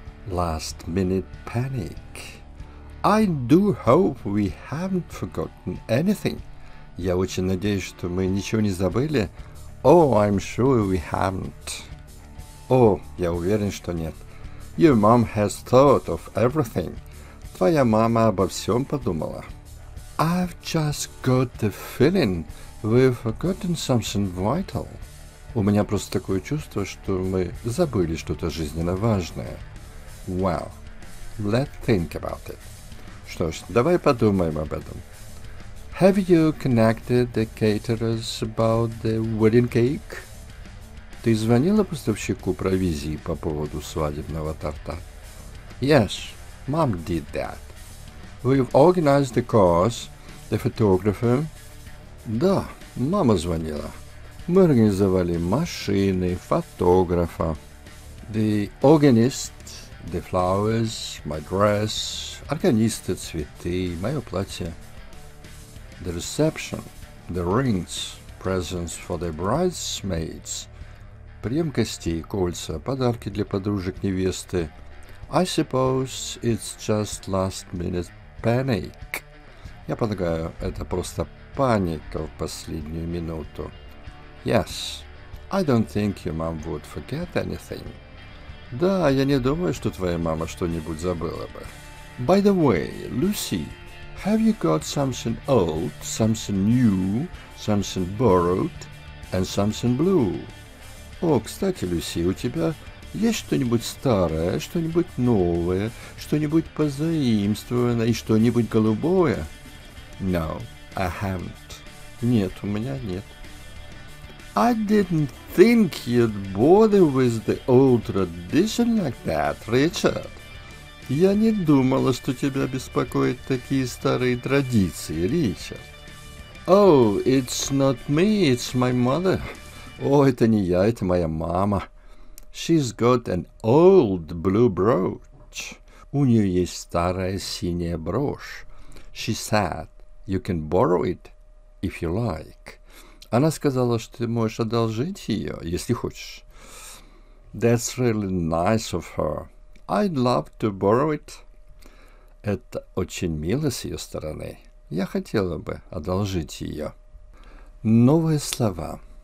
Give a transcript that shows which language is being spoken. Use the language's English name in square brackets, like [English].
[English] Last minute panic. I do hope we haven't forgotten anything. [Russian] Я очень надеюсь, что мы ничего не забыли. [English] Oh, I'm sure we haven't. Oh, [Russian] я уверен, что нет. [English] Your mom has thought of everything. [Russian] Твоя мама обо всем подумала. [English] I've just got the feeling we've forgotten something vital. [Russian] У меня просто такое чувство, что мы забыли что-то жизненно важное. [English] Well, let's think about it. [Russian] Что ж, давай подумаем об этом. [English] Have you connected the caterers about the wedding cake? [Russian] Ты звонила поставщику провизии по поводу свадебного торта? [English] Yes, mom did that. We've organized the course, the photographer. [Russian] Да, мама звонила. Мы организовали машины, фотографа. [English] The organist, the flowers, my dress. [Russian] Органисты, цветы, мое платье. [English] The reception, the rings, presents for the bridesmaids. [Russian] Прием гостей, кольца, подарки для подружек невесты. [English] I suppose it's just last minute panic. [Russian] Я полагаю, это просто паника в последнюю минуту. [English] Yes, I don't think your mom would forget anything. [Russian] Да, я не думаю, что твоя мама что-нибудь забыла бы. [English] By the way, Lucy, have you got something old, something new, something borrowed, and something blue? [Russian] О, кстати, Люси, у тебя есть что-нибудь старое, что-нибудь новое, что-нибудь позаимствованное и что-нибудь голубое? [English] No, I haven't. [Russian] Нет, у меня нет. [English] I didn't think you'd bother with the old tradition like that, Richard. [Russian] Я не думала, что тебя беспокоят такие старые традиции, Ричард. [English] Oh, it's not me, it's my mother. [Russian] О, это не я, это моя мама. [English] She's got an old blue brooch. [Russian] У нее есть старая синяя брошь. [English] She said, you can borrow it, if you like. [Russian] Она сказала, что ты можешь одолжить ее, если хочешь. [English] That's really nice of her. I'd love to borrow it. [Russian] Это очень мило с ее стороны. Я хотела бы одолжить ее. Новые слова.